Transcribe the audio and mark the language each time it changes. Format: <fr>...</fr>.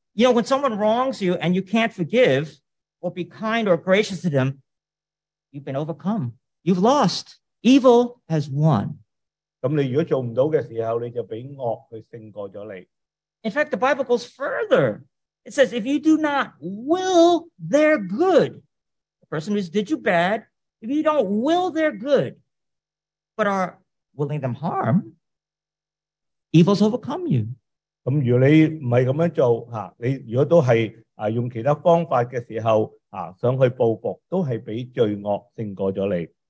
<en>You know, when someone wrongs you and you can't forgive or be kind or gracious to them, you've been overcome. You've lost. Evil has won.</en> <yue>咁你如果做唔到嘅时候，你就俾恶去胜过咗你。</yue> <en>In fact, the Bible goes further. It says, if you do not will their good, the person who's did you bad, if you don't will their good, but are willing them harm, evil's overcome you.</en> <yue>咁如果你唔系咁样做，你如果都系用其他方法嘅时候，想去报复，都系俾罪恶胜过咗你。</yue>